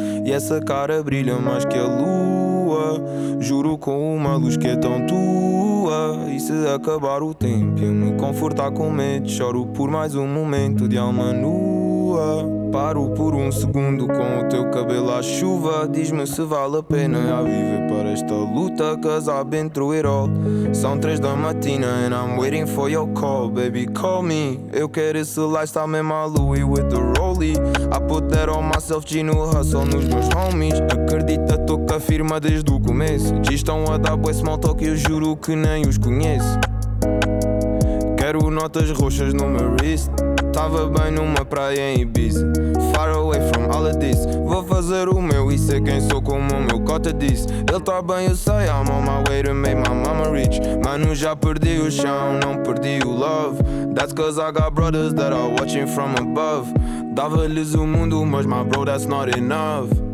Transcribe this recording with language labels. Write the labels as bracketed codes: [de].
[pt] E essa cara brilha mais que a lua. Juro com uma luz que é tão tua. E se acabar o tempo e me confortar com medo, choro por mais momento de alma nua. Paro por segundo com o teu cabelo à chuva. Diz-me se vale a pena a viver para esta luta. Casar entre o herói. São 3 da matina [en] and I'm waiting for your call. Baby, call me. [pt] Eu quero esse lifestyle mesmo a Louis [en] with the rollie. I put that on myself, G no hustle [pt] nos meus [en] homies. [pt] Acredita, tô com a firma desde o começo. G estão a dar boy small talk, eu juro que nem os conheço. Quero notas roxas no meu wrist. Tava bem numa praia em Ibiza. [en] Far away from all of this. [pt] Vou fazer o meu e ser quem sou como o meu cota disse. Ele tá bem, eu sei. [en] I'm on my way to make my mama rich. [pt] Mano, já perdi o chão, não perdi o love. [en] That's cause I got brothers that are watching from above. [pt] Dava-lhes o mundo, mas [en] my bro, that's not enough.